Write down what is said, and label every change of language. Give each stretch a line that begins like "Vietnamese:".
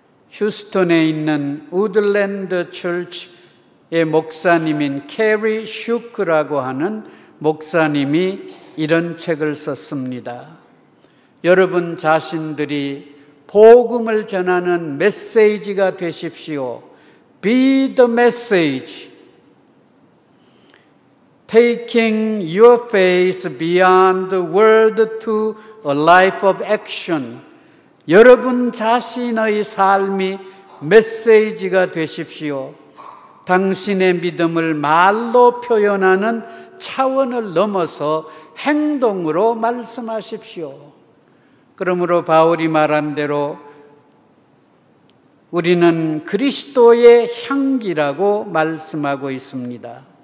Korean: 휴스턴에 있는 우드랜드 철치의 목사님인 캐리 슈크라고 하는 목사님이 이런 책을 썼습니다. 여러분 자신들이 복음을 전하는 메시지가 되십시오.
English: Be the message. Taking your faith beyond the world to a life of action.
Korean: 여러분 자신의 삶이 메시지가 되십시오. 당신의 믿음을 말로 표현하는 차원을 넘어서 행동으로 말씀하십시오. 그러므로 바울이 말한 대로 우리는 그리스도의 향기라고 말씀하고 있습니다.